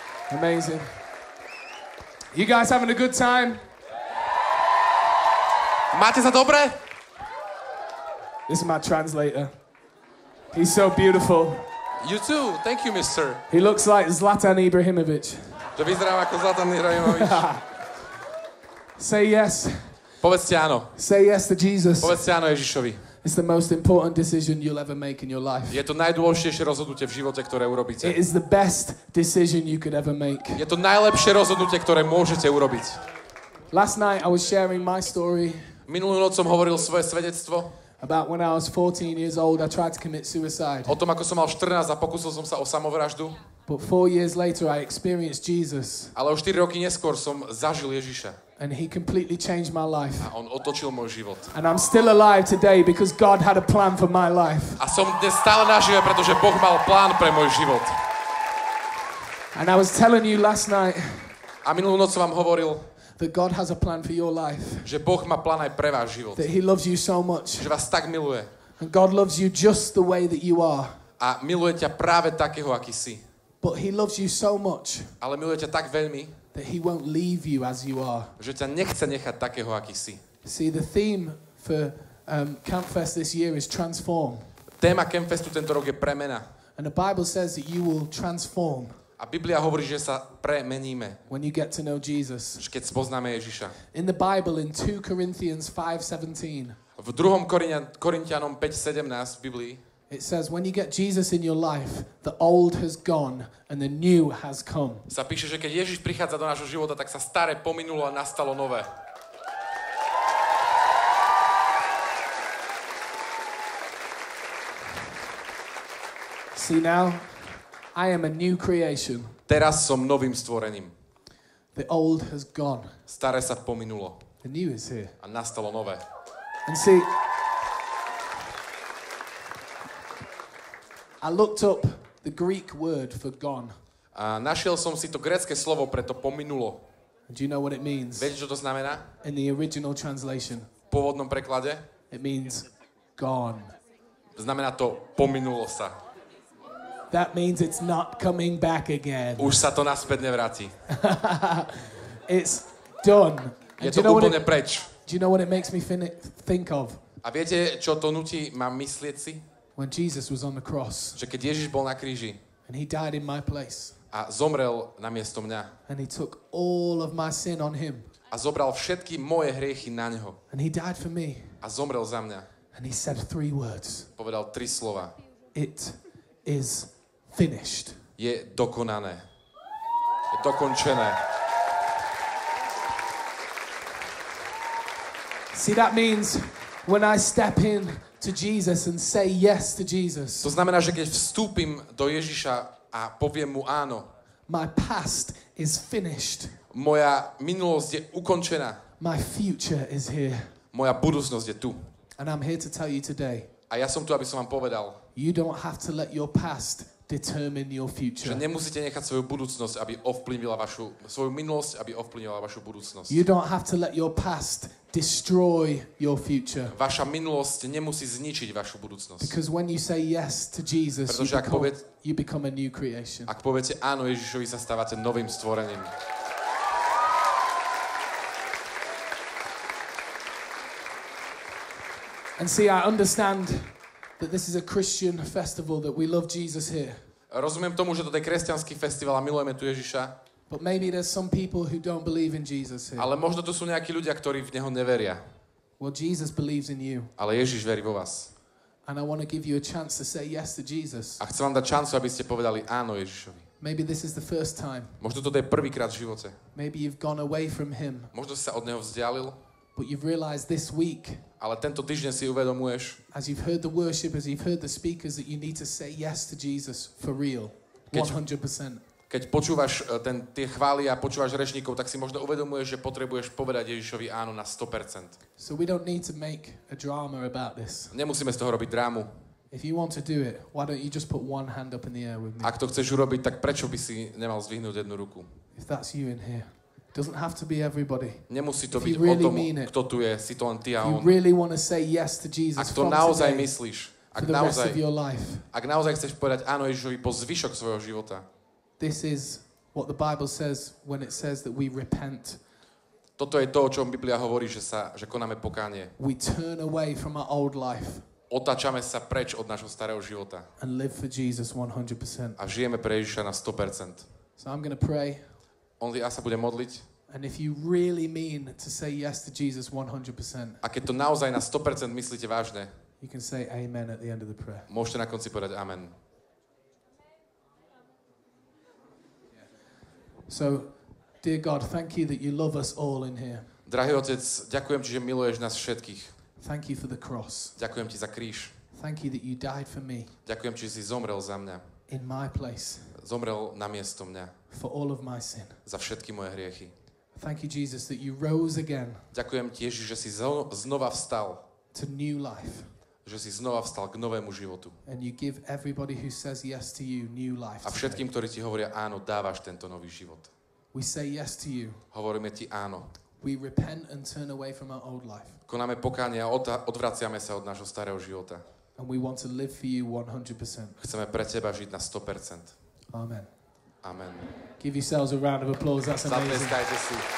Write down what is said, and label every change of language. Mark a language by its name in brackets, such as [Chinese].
[English] Amazing. You guys having a good time? [Slovak] Máte sa dobre? [English] This is my translator. He's so beautiful. You too. Thank you, mister. He looks like Zlatan Ibrahimovic. [Slovak] To vyzerám ako Zlatan Ibrahimovic. [English] Say yes. [Slovak] Povedzte áno. [English] Say yes to Jesus. [Slovak] Povedzte áno Ježišovi. [English] It's the most important decision you'll ever make in your life. [Slovak] Je to najdôležitejšie rozhodnutie v živote, ktoré urobíte. [English] It is the best decision you could ever make. [Slovak] Je to najlepšie rozhodnutie, ktoré môžete urobiť. [English] Last night I was sharing my story. [Slovak] Minulú noc som hovoril svoje svedectvo. [English] About when I was 14 years old, I tried to commit suicide. [Slovak] O tom, ako som mal 14 a pokúsil som sa o samovraždu. [English] But 4 years later, I experienced Jesus. [Slovak] Ale o 4 roky neskôr som zažil Ježiša. [English] And he completely changed my life. [Slovak] A on otočil môj život. [English] And I'm still alive today because God had a plan for my life. [Slovak] A som dnes stále nažive, pretože Boh mal plán pre môj život. [English] And I was telling you last night. [Slovak] A minulú noc vám hovoril. [English] That God has a plan for your life. [Slovak] Že Boh má plán aj pre váš život. [English] That he loves you so much. [Slovak] Že vás tak miluje. [English] And God loves you just the way that you are. [Slovak] A miluje ťa práve takého, aký si. [English] But he loves you so much. [Slovak] Ale miluje ťa tak veľmi. [English] That he won't leave you as you are. [Slovak] Že ťa nechce nechať takého, aký si. [English] See, the theme for Campfest this year is transform. [Slovak] Téma Campfestu tento rok je premena. [English] And the Bible says that you will transform. [Slovak] A Biblia hovorí, že sa premeníme. [English] When you get to know Jesus. [Slovak] Keď spoznáme Ježiša. [English] In the Bible in 2 Corinthians 5:17. [Slovak] V 2. Korintianom 5:17 v Biblii. [English] It says when you get Jesus in your life, the old has gone and the new has come. [Slovak] Sa píše, že keď Ježiš prichádza do nášho života, tak sa staré pominulo a nastalo nové. [English] See now? I am a new creation. [Slovak] Teraz som novým stvorením. [English] The old has gone. [Slovak] Staré sa pominulo. [English] The new is here. [Slovak] A nastalo nové. [English] And see, I looked up the Greek word for gone. [Slovak] A našiel som si to grécke slovo pre to pominulo. [English] Do you know what it means? [Slovak] Vieš, čo to znamená? [English] In the original translation. [Slovak] V pôvodnom preklade? [English] It means gone. [Slovak] Znamená to pominulo sa. [English] That means it's not coming back again. [Slovak] Už sa to naspäť nevráti. [English] It's done. [Slovak] Je to úplne preč. [English] Do you know what it makes me think of? [Slovak] A viete, čo to nutí ma myslieť si? [English] When Jesus was on the cross. [Slovak] Že keď Ježiš bol na kríži. [English] And he died in my place. [Slovak] A zomrel na miesto mňa. [English] And he took all of my sin on him. [Slovak] A zobral všetky moje hriechy na neho. [English] And he died for me. [Slovak] A zomrel za mňa. [English] And he said 3 words. [Slovak] Povedal 3 slova. [English] It is finished. [Slovak] Je dokonané. Je dokončené. [English] See, that means when I step in to Jesus and say yes to Jesus. [Slovak] To znamená, že keď vstúpim do Ježiša a poviem mu áno. [English] My past is finished. [Slovak] Moja minulosť je ukončená. [English] My future is here. [Slovak] Moja budúcnosť je tu. [English] And I'm here to tell you today. [Slovak] A ja som tu, aby som vám povedal. [English] You don't have to let your past determine your future. [Slovak] Že nemusíte nechať svoju budúcnosť, aby ovplyvnila vašu svoju minulosť, aby ovplyvnila vašu budúcnosť. [English] You don't have to let your past destroy your future. [Slovak] Vaša minulosť nemusí zničiť vašu budúcnosť. [English] Because when you say yes to Jesus, you become a new creation. [Slovak] Ak poviete áno Ježišovi, sa stávate novým stvorením. [English] And see, I understand that this is a Christian festival, that we love Jesus here. [Slovak] Rozumiem tomu, že to je kresťanský festival a milujeme tu Ježiša. [English] But maybe there's some people who don't believe in Jesus here. [Slovak] Ale možno tu sú nejakí ľudia, ktorí v neho neveria. [English] Well, Jesus believes in you. [Slovak] Ale Ježiš verí vo vás. [English] And I want to give you a chance to say yes to Jesus. [Slovak] A chcem vám dať šancu, aby ste povedali áno Ježišovi. [English] Maybe this is the first time. [Slovak] Možno toto je prvýkrát v živote. [English] Maybe you've gone away from him. [Slovak] Možno si sa od neho vzdialil. [English] But you've realized this week. [Slovak] Ale tento týždeň si uvedomuješ. [English] As you've heard the worship, as you've heard the speakers, that you need to say yes to Jesus for real. 100%. [Slovak] Keď počúvaš tie chvály a počúvaš rečníkov, tak si možno uvedomuješ, že potrebuješ povedať Ježišovi áno na 100%. [English] So we don't need to make a drama about this. [Slovak] Nemusíme z toho robiť drámu. [English] If you want to do it, why don't you just put one hand up in the air with me? [Slovak] Ak to chceš urobiť, tak prečo by si nemal zdvihnúť jednu ruku? [English] If that's you in here. Doesn't have to be everybody. [Slovak] Nemusí to byť [English] really [Slovak] o tom, kto tu je, si to len ty a on. [English] If you really want to say yes to Jesus, [Slovak] ak to naozaj [English] today, [Slovak] myslíš, ak naozaj, [English] rest of your life, [Slovak] ak naozaj chceš povedať áno Ježišovi po zvyšok svojho života. [English] This is what the Bible says when it says that we repent. [Slovak] Toto je to, o čom Biblia hovorí, že konáme pokánie. [English] We turn away from our old life. [Slovak] Otáčame sa preč od nášho starého života. [English] And live for Jesus 100%. [Slovak] A žijeme pre Ježiša na 100%. [English] So I'm going to pray. Only [Slovak] ja sa budem modliť. [English] And if you really mean to say yes to Jesus 100%. [Slovak] A keď to naozaj na 100% myslíte vážne. [English] You can say amen at the end of the prayer. [Slovak] Môžete na konci povedať amen. [English] So, dear God, thank you that you love us all in here. [Slovak] Drahý Otec, ďakujem ti, že miluješ nás všetkých. [English] Thank you for the cross. [Slovak] Ďakujem ti za kríž. [English] Thank you that you died for me. [Slovak] Ďakujem ti, že si zomrel za mňa. [English] In my place. [Slovak] zomrel na miesto mňa. [English] For all of my sin. [Slovak] Za všetky moje hriechy. [English] Thank you, Jesus, that you rose again. [Slovak] Ďakujem ti, Ježiš, že si znova vstal. [English] To new life. [Slovak] Že si znova vstal k novému životu. [English] And you give everybody who says yes to you new life. [Slovak] A všetkým, ktorí ti hovoria áno, dávaš tento nový život. [English] We say yes to you. [Slovak] Hovoríme ti áno. [English] We repent and turn away from our old life. [Slovak] Konáme pokánie a odvraciame sa od nášho starého života. [English] And we want to live for you 100%. [Slovak] Chceme pre teba žiť na 100%. [English] Amen. [Slovak] Amen. [English] Give yourselves a round of applause. That's amazing. [Slovak] Zatleskajte si.